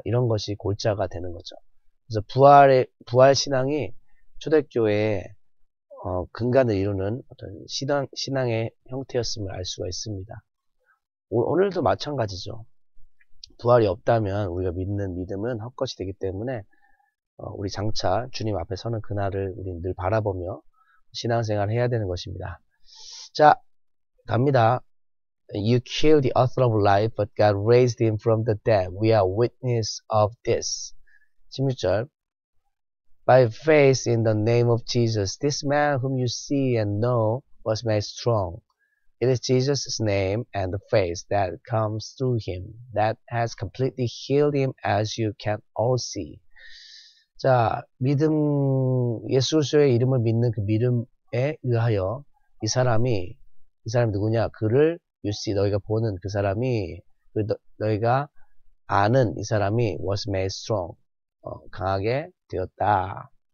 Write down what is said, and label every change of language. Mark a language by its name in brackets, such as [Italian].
[Korean] 이런 것이 골자가 되는 거죠. 그래서 부활신앙이 초대교회의 근간을 이루는 어떤 신앙의 형태였음을 알 수가 있습니다. 오늘도 마찬가지죠. 부활이 없다면 우리가 믿는 믿음은 헛것이 되기 때문에 우리 장차 주님 앞에 서는 그날을 우리는 늘 바라보며 신앙생활을 해야 되는 것입니다. 자, 갑니다. [English] You killed the author of life, but God raised him from the dead. We are witness of this. 16절, By faith in the name of Jesus, this man whom you see and know was made strong. It is Jesus' name and the faith that comes through him that has completely healed him as you can all see. [Korean] 자, 믿음, 예수 그리스도의 이름을 믿는 그 믿음에 의하여 이 사람이 누구냐? 그를, [English] you see, [Korean] 너희가 보는 그 사람이, 너희가 아는 이 사람이 [English] was made strong. [Korean] 강하게 되었다.